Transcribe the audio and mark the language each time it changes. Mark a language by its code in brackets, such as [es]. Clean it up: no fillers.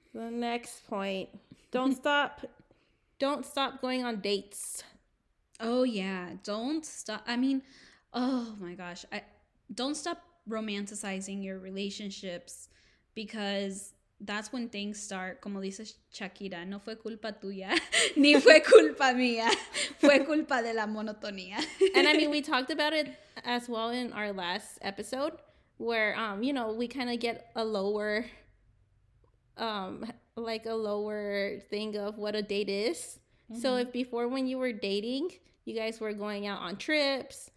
[en] The next point. Don't stop. Don't stop going on dates. Oh, yeah. Don't stop. I mean, oh, my gosh. Don't stop romanticizing your relationships, because that's when things start. [es] Como dices, Shakira, no fue culpa tuya, ni fue culpa mía. Fue culpa de la monotonía. [en] And, I mean, we talked about it as well in our last episode where, you know, we kind of get a lower, like a lower thing of what a date is. Mm-hmm. So if before when you were dating, you guys were going out on trips.